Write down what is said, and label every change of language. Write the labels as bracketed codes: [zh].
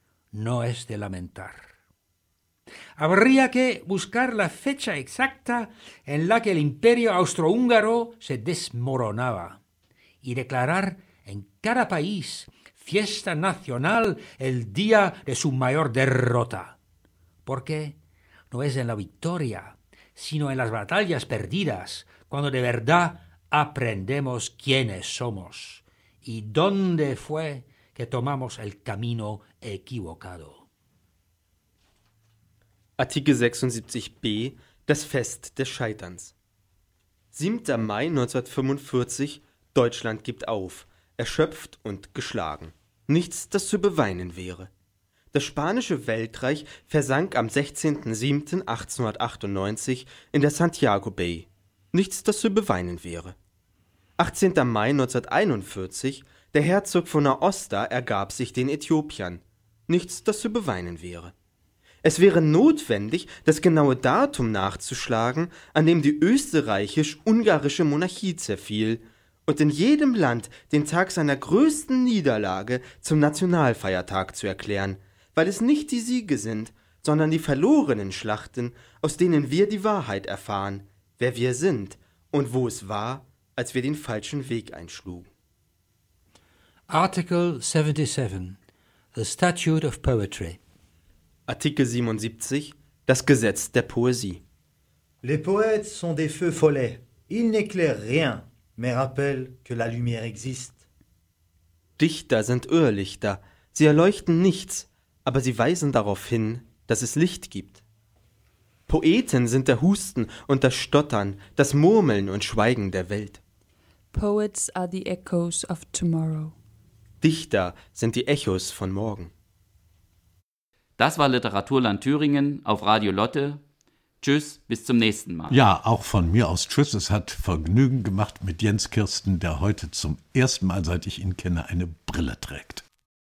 [es] No es de lamentar. Habría que buscar la fecha exacta en la que el Imperio Austrohúngaro se desmoronaba y declarar en cada país fiesta nacional el día de su mayor derrota. Porque no es en la victoria, sino en las batallas perdidas, cuando de verdad aprendemos quiénes somos y dónde fue que tomamos el camino equivocado. [de] Artikel 76b, das Fest des Scheiterns. 7. Mai 1945, Deutschland gibt auf, erschöpft und geschlagen. Nichts, das zu beweinen wäre. Das spanische Weltreich versank am 16.07.1898 in der Santiago Bay. Nichts, das zu beweinen wäre. 18. Mai 1941, der Herzog von Aosta ergab sich den Äthiopiern. Nichts, das zu beweinen wäre. Es wäre notwendig, das genaue Datum nachzuschlagen, an dem die österreichisch-ungarische Monarchie zerfiel und in jedem Land den Tag seiner größten Niederlage zum Nationalfeiertag zu erklären, weil es nicht die Siege sind, sondern die verlorenen Schlachten, aus denen wir die Wahrheit erfahren, wer wir sind und wo es war, als wir den falschen Weg einschlugen. [en] Article 77, The Statute of Poetry. [de] Artikel 77, das Gesetz der Poesie. [fr] Les poètes sont des feux follets. Ils n'éclairent rien, mais rappellent que la lumière existe. [de] Dichter sind Irrlichter. Sie erleuchten nichts, aber sie weisen darauf hin, dass es Licht gibt. Poeten sind der Husten und das Stottern, das Murmeln und Schweigen der Welt. [en] Poets are the echoes of tomorrow. [de] Dichter sind die Echos von morgen. Das war Literaturland Thüringen auf Radio Lotte. Tschüss, bis zum nächsten Mal. Ja, auch von mir aus tschüss. Es hat Vergnügen gemacht mit Jens Kirsten, der heute zum ersten Mal, seit ich ihn kenne, eine Brille trägt.